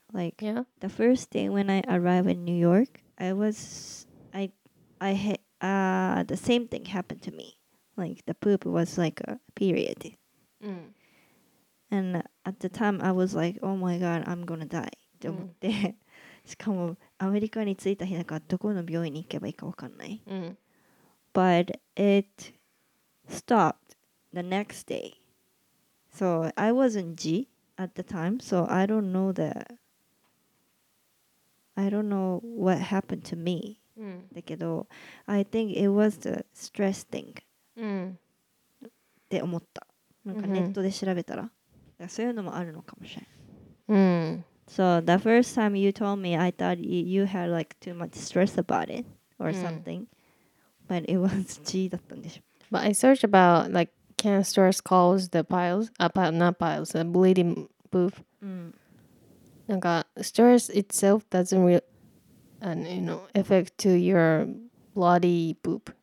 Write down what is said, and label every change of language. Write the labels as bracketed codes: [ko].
[en] Like, yeah? The first day when I arrived in New York, the same thing happened to me. Like, the poop was like a period. Mm. And at the time, I was like, oh my god, I'm gonna die. [ja] って思って、しかもアメリカに着いた日だからどこの病院に行けばいいか分かんない。 Mm. [en] But it stopped the next day. So I was in G at the time, so I don't know what happened to me. Mm. だけど、I think it was the stress thing. Mm. [ja] って思った。なんかネットで調べたら。 Mm-hmm. そういうのもあるのかもしれん。 Mm. [en] So the first time you told me, I thought you had like too much stress about it or something. But it was G [ja] だったんでしょ。 [en] But I searched about like, can stress cause the piles? Not piles, the bleeding poop. Mm. なんか stress itself doesn't really, you know, affect to your bloody poop.